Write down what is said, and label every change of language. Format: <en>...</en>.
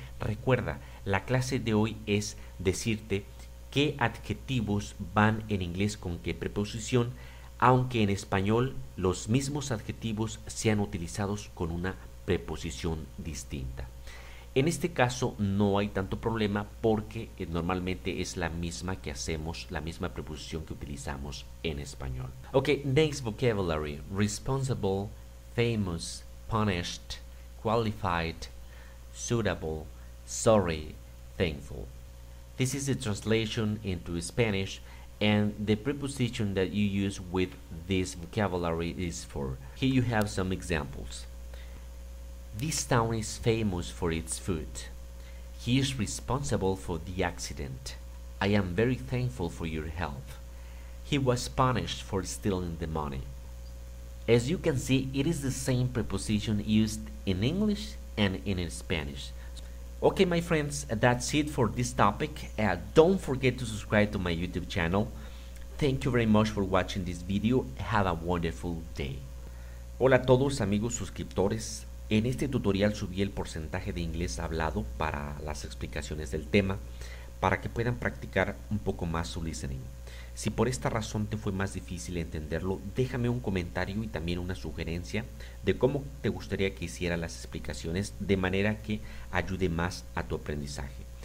<es>Recuerda, la clase de hoy es decirte qué adjetivos van en inglés con qué preposición, aunque en español los mismos adjetivos sean utilizados con una preposición distinta. En este caso no hay tanto problema porque normalmente es la misma que hacemos, la misma preposición que utilizamos en español.</es> <en>Ok, next vocabulary. Responsible, famous, punished, qualified, suitable, sorry, thankful. This is the translation into Spanish and the preposition that you use with this vocabulary is for. Here you have some examples. This town is famous for its food. He is responsible for the accident. I am very thankful for your help. He was punished for stealing the money. As you can see, it is the same preposition used in English and in Spanish. Okay, my friends, that's it for this topic. Don't forget to subscribe to my YouTube channel. Thank you very much for watching this video. Have a wonderful day.</en> <es>Hola a todos, amigos suscriptores. En este tutorial subí el porcentaje de inglés hablado para las explicaciones del tema, para que puedan practicar un poco más su listening. Si por esta razón te fue más difícil entenderlo, déjame un comentario y también una sugerencia de cómo te gustaría que hiciera las explicaciones, de manera que ayude más a tu aprendizaje.</es>